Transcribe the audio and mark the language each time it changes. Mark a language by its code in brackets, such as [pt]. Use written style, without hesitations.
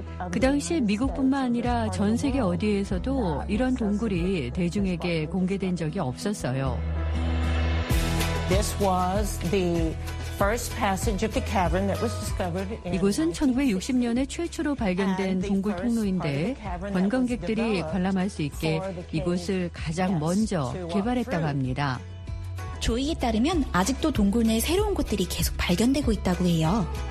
[ko] 그 당시 미국뿐만 아니라 전 세계 어디에서도 이런 동굴이 대중에게 공개된 적이 없었어요. [en] This was the first passage of the cavern that was discovered. [ko] 이곳은 1960년에 최초로 발견된 동굴 통로인데 관광객들이 관람할 수 있게 이곳을 가장 먼저 개발했다고 합니다. 조이에 따르면 아직도 동굴 내 새로운 곳들이 계속 발견되고 있다고 해요.